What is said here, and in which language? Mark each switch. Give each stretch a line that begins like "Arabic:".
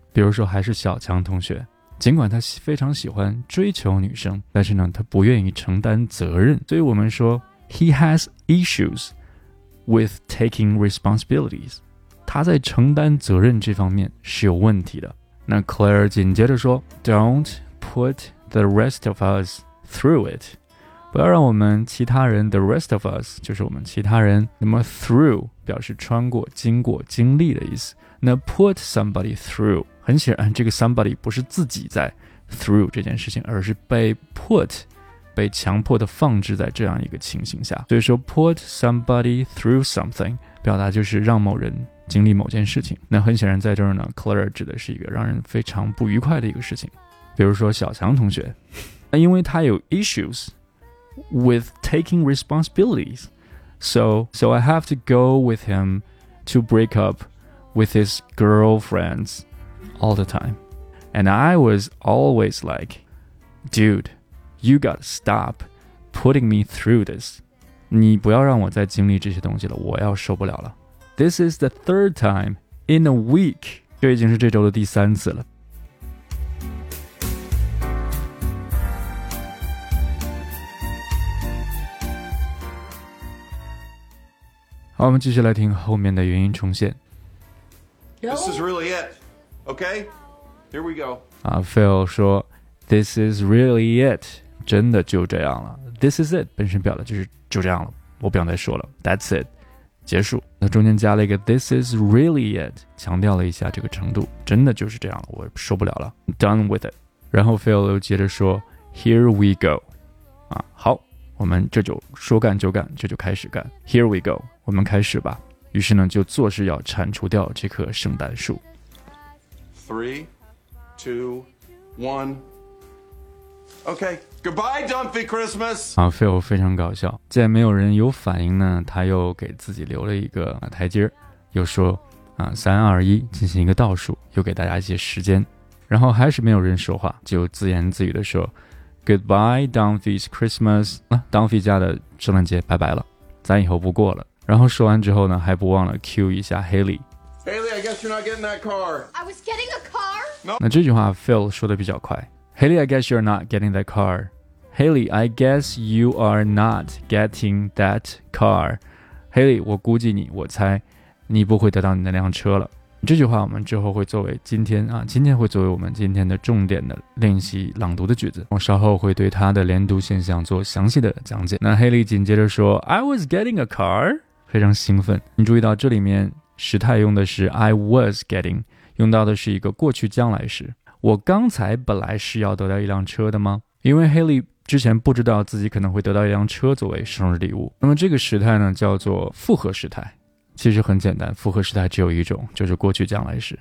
Chinese: 比如说还是小强同学，尽管他非常喜欢追求女生，但是呢他不愿意承担责任，所以我们说
English: He has issues with taking responsibilities，
Chinese: 他在承担责任这方面是有问题的。那 Claire 紧接着说
English: Don't put the rest of us through it，
Chinese: 不要让我们其他人
English: The rest of us
Chinese: 就是我们其他人。那么 through 表示穿过、经过、经历的意思。那 put somebody through， 很显然这个 somebody 不是自己在 through 这件事情，而是被 put， 被强迫的放置在这样一个情形下。所以说 put somebody through something 表达就是让某人经历某件事情。那很显然在这儿呢， Claire 指的是一个让人非常不愉快的一个事情。比如说小强同学，那因为他有
English: issues with taking responsibilities， so I have to go with him to break upwith his girlfriends all the time. And I was always like, dude, you gotta stop putting me through this.
Chinese: 你不要让我再经历这些东西了，我要受不了了。
English: This is the third time in a week.
Chinese: 这已经是这周的第三次了。好，我们继续来听后面的原音重现。
English: This is really it. Okay? Here we go.
Chinese: Phil 说
English: This is really it.
Chinese: 真的就这样了。
English: This is it
Chinese: 本身表达就是就这样了，我不想再说了。
English: That's it.
Chinese: 结束。那中间加了一个
English: This is really it，
Chinese: 强调了一下这个程度，真的就是这样了，我受不了了。
English: I'm done with it.
Chinese: 然后 Phil 又接着说
English: Here we go.
Chinese: 好，我们这就说干就干，这就开始干。
English: Here we go.
Chinese: 我们开始吧。于是呢，就做事要铲除掉这棵圣诞树。
English: Three, two, one. Okay, goodbye, dumpy Christmas.
Chinese: Phil 非常搞笑，见没有人有反应呢，他又给自己留了一个台阶，又说三二一，进行一个倒数，又给大家一些时间，然后还是没有人说话，就自言自语的说 ，
English: Goodbye, dumpy Christmas.
Chinese: 啊，dumpy 家的圣诞节拜拜了。咱以后不过了。然后说完之后呢，还不忘了 cue 一下 Haley。
English: Haley, I guess you're not getting that car. I was getting a car. No.
Chinese: 那这句话 Phil 说的比较快。
English: Haley, I guess you're not getting that car. Haley, I guess you are not getting that car.
Chinese: Haley, 我估计你，我猜你不会得到你那辆车了。这句话我们之后会作为今天啊，今天会作为我们今天的重点的练习朗读的句子。我稍后会对他的连读现象做详细的讲解。那 Haley 紧接着说 ，
English: I was getting a car.
Chinese: 非常兴奋，你注意到这里面时态用的是
English: I was getting，
Chinese: 用到的是一个过去将来时。我刚才本来是要得到一辆车的吗？因为 Haley 之前不知道自己可能会得到一辆车作为生日礼物。那么这个时态呢叫做复合时态，其实很简单，复合时态只有一种，就是过去将来时。